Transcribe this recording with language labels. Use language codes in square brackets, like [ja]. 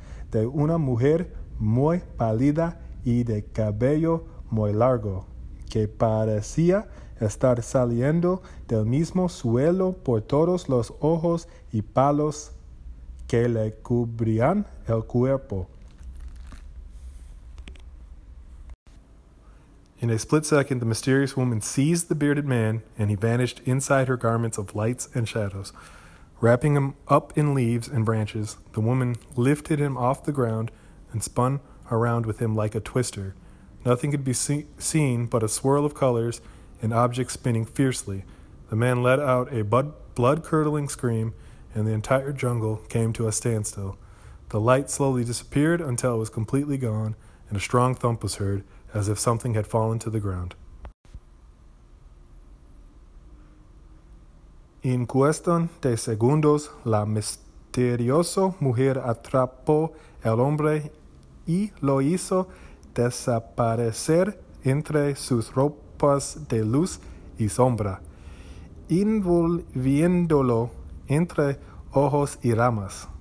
[es] de una mujer muy pálida y de cabello muy largo, que parecía estar saliendo del mismo suelo por todos los ojos y palos que le cubrían el cuerpo. [en] In a split second, the mysterious woman seized the bearded man, and he vanished inside her garments of lights and shadows. Wrapping him up in leaves and branches, the woman lifted him off the ground and spun around with him like a twister. Nothing could be seen but a swirl of colors and objects spinning fiercely. The man let out a blood-curdling scream, and the entire jungle came to a standstill. The light slowly disappeared until it was completely gone, and a strong thump was heard, as if something had fallen to the ground. [es] En cuestión de segundos, la misteriosa mujer atrapó al hombre y lo hizo desaparecer entre sus ropas de luz y sombra, envolviéndolo entre hojas y ramas.